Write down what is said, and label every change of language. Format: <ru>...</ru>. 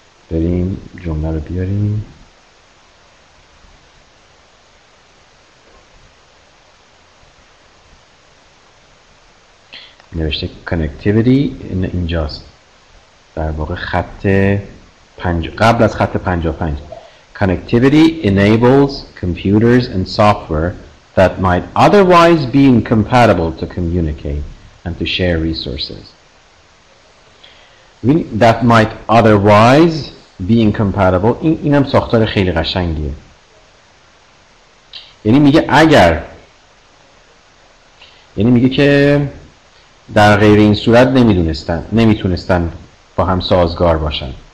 <fa>بریم جمله رو بیاریم. نوشته connectivity اینجاست. در واقع خط پنج قبل از خط 55.</fa> <en>Connectivity enables computers and software that might otherwise be incompatible to communicate and to share resources. That might otherwise be incompatible.</en> <fa>این هم ساختار خیلی قشنگیه. یعنی میگه اگر، یعنی میگه که در غیر این صورت نمیدونستن، نمیتونستن با هم سازگار باشن.</fa>